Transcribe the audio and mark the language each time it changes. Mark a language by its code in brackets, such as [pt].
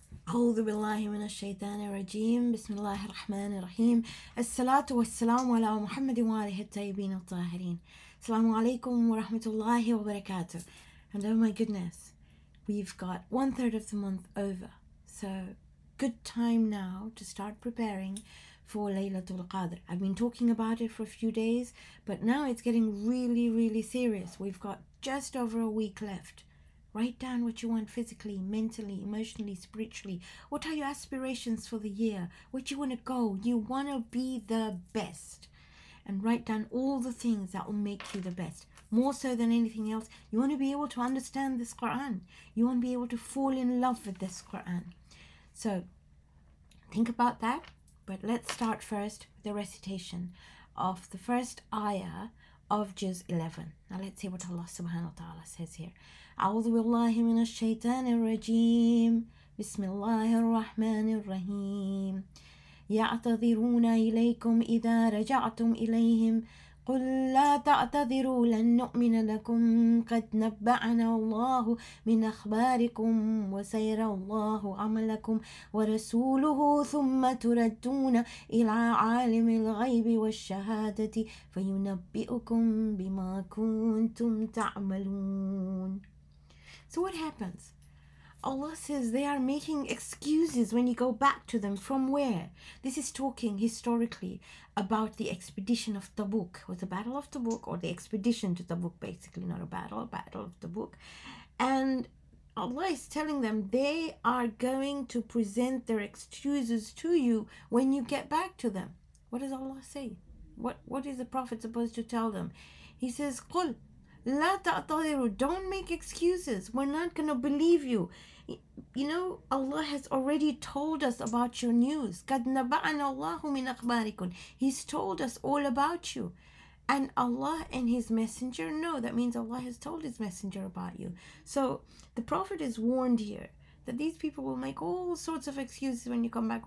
[ar] أعوذ بالله من الشيطان الرجيم بسم الله الرحمن الرحيم الصلاة والسلام على محمد وآله الطيبين الطاهرين السلام عليكم ورحمة الله وبركاته. [en] And oh my goodness, we've got one third of the month over, so good time now to start preparing for Laylatul Qadr. I've been talking about it for a few days, but now it's getting really, really serious. We've got just over a week left. Write down what you want physically, mentally, emotionally, spiritually. What are your aspirations for the year? Where do you want to go? You want to be the best. And write down all the things that will make you the best. More so than anything else, you want to be able to understand this Quran. You want to be able to fall in love with this Quran. So think about that. But let's start first with the recitation of the first ayah of Juz 11. Now let's see what Allah subhanahu wa ta'ala says here. [ar] أعوذ بالله من الشيطان الرجيم بسم الله الرحمن الرحيم يعتذرون إليكم إذا رجعتم إليهم قل لا تعتذروا لن نؤمن لكم قد نبأنا الله من أخباركم وسيرى الله عملكم ورسوله ثم تردون إلى عالم الغيب والشهادة فينبئكم بما كنتم تعملون. [en] So what happens? Allah says they are making excuses when you go back to them. From where? This is talking historically about the expedition of Tabuk. It was the battle of Tabuk, or the expedition to Tabuk, basically, not a battle, battle of Tabuk. And Allah is telling them they are going to present their excuses to you when you get back to them. What does Allah say? What is the Prophet supposed to tell them? He says, [ar] قل لا تعتذروا. [en] Don't make excuses. We're not going to believe you. You know, Allah has already told us about your news. [ar] قَدْ نَبَعَنَ اللَّهُ مِنْ أَخْبَارِكُمْ. [en] He's told us all about you. And Allah and His Messenger know. That means Allah has told His Messenger about you. So the Prophet is warned here that these people will make all sorts of excuses when you come back.